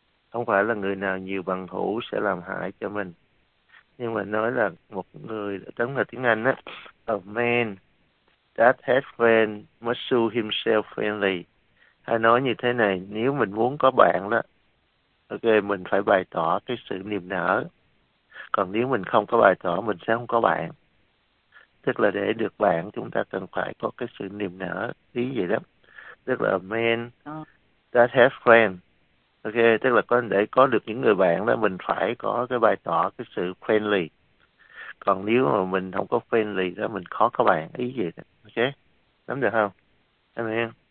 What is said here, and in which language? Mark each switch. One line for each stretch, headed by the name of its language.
Vietnamese: Không phải là người nào nhiều bằng hữu sẽ làm hại cho mình. Nhưng mà nói là một người, đúng là tiếng Anh á,
English: a man that has friends must show himself friendly.
Vietnamese: Hay nói như thế này, nếu mình muốn có bạn đó, ok, mình phải bày tỏ cái sự niềm nở. Còn nếu mình không có bày tỏ, mình sẽ không có bạn. Tức là để được bạn, chúng ta cần phải có cái sự niềm nở, ý vậy đó. Tức là
English: a man that has friends.
Vietnamese: Ok, tức là để có được những người bạn đó, mình phải có cái bày tỏ cái sự friendly. Còn nếu mà mình không có friendly đó, mình khó có bạn, ý vậy đó. Ok, nắm được không? Amen.